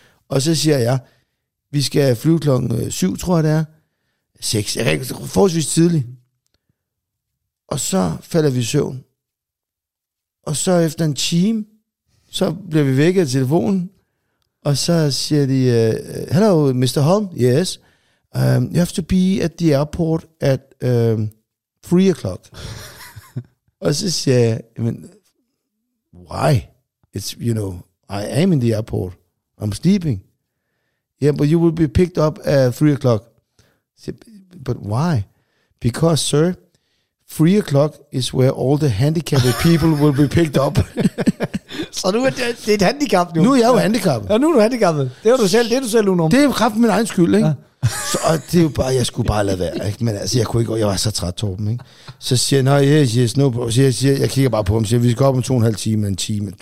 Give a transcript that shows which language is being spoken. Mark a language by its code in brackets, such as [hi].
[da] Og så siger jeg, vi skal flyve klokken 7, tror jeg det er. 6, jeg er forholdsvis tidlig. Og så falder vi i søvn. Og så efter en time, så bliver vi vækket af telefonen. Og så siger de, [en] hello, Mr. Holm. Yes. You have to be at the airport at 3 o'clock. [da] Og så siger jeg, men, [en] why? It's, you know, I am in the airport. I'm sleeping. Yeah, but you will be picked up at 3 o'clock. But why? Because, sir, 3 o'clock is where all the handicapped people will be picked up. [da] Så nu er det et handicap nu. Nu er jeg jo handicappet. Ja, nu er du handicappet. Det er du selv, det er du selv unum. Det er jo kraften min egen skyld, ikke? Ja. Så det er jo bare, jeg skulle bare lade være, ikke? Men altså, jeg kunne ikke, jeg var så træt, Torben, ikke? Så siger jeg, nej, yes, no, så siger, jeg kigger bare på ham, siger, vi skal op om 2,5 timer, en time.